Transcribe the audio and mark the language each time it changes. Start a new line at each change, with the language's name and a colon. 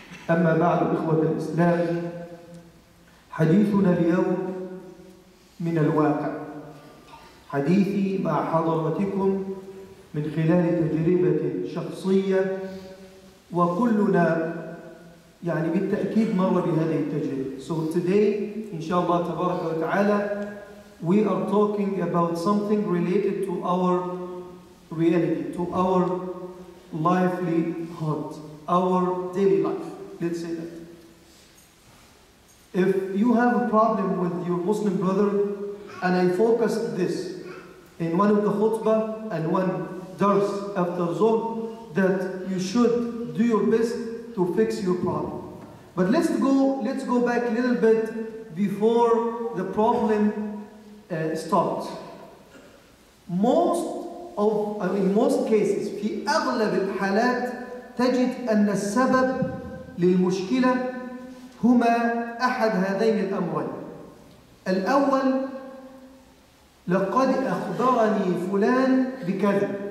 Arabic: أما بعد، إخوة الإسلام، حديثنا اليوم من الواقع، حديثي مع حضرتكم من خلال تجربة شخصية، وكلنا يعني بالتأكيد مر بهذه التجربة.
English: So today,
Arabic: إن شاء الله تبارك وتعالى,
English: we are talking about something related to our reality, to our lively heart, our daily life. Let's say that. If you have a problem with your Muslim brother, and I focused this in one of the khutbah and one dars after Zohr, that you should do your best to fix your problem. But let's go back a little bit before the problem starts. In most cases,
Arabic: في أغلب الحالات تجد أن السبب للمشكلة هما أحد هذين الأمرين. الأول، لقد أخبرني فلان بكذا.